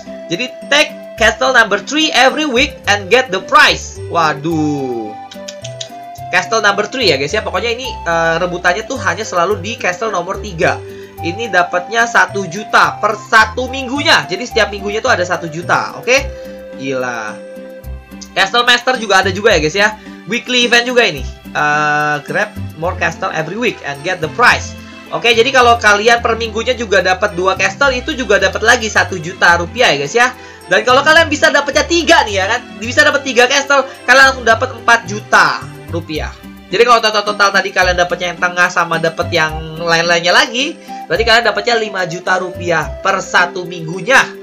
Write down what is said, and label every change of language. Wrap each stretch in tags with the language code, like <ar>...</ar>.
<en>Jadi take castle number 3 every week and get the prize.</en> <id>Waduh. Castle number 3 ya guys ya. Pokoknya ini rebutannya tuh hanya selalu di castle nomor 3. Ini dapatnya 1 juta per 1 minggunya. Jadi setiap minggunya tuh ada 1 juta, oke? Okay? Gila. Castle Master juga ada juga ya guys ya. Weekly event juga ini.</id> <en>Grab more castle every week and get the prize.</en> <id>Oke, jadi kalau kalian per minggunya juga dapat 2 castle itu juga dapat lagi 1 juta rupiah ya guys ya. Dan kalau kalian bisa dapatnya 3 nih ya kan, bisa dapat 3 castle, kalian langsung dapat 4 juta rupiah. Jadi kalau total tadi kalian dapatnya yang tengah sama dapat yang lain-lainnya lagi, berarti kalian dapatnya 5 juta rupiah per 1 minggunya.</id>